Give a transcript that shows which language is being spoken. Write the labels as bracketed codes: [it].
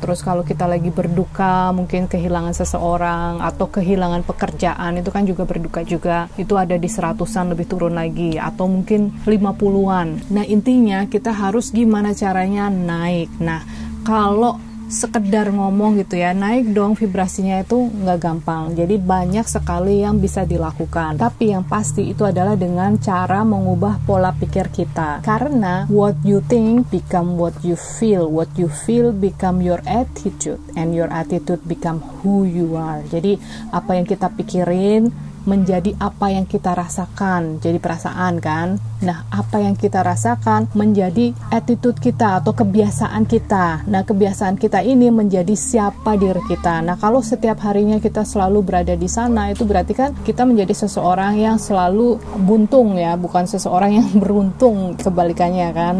[id] Terus kalau kita lagi berduka, mungkin kehilangan seseorang atau kehilangan pekerjaan, itu kan juga berduka juga, itu ada di 100-an, lebih turun lagi, atau mungkin 50-an. Nah, intinya kita harus gimana caranya naik. Nah, kalau sekedar ngomong gitu ya, naik dong vibrasinya itu nggak gampang. Jadi banyak sekali yang bisa dilakukan, tapi yang pasti itu adalah dengan cara mengubah pola pikir kita. [en] Karena what you think become what you feel become your attitude, and your attitude become who you are. [id] Jadi apa yang kita pikirin menjadi apa yang kita rasakan, jadi perasaan kan. Nah, apa yang kita rasakan menjadi attitude kita atau kebiasaan kita. Nah, kebiasaan kita ini menjadi siapa diri kita. Nah, kalau setiap harinya kita selalu berada di sana, itu berarti kan kita menjadi seseorang yang selalu buntung ya, bukan seseorang yang beruntung, kebalikannya kan.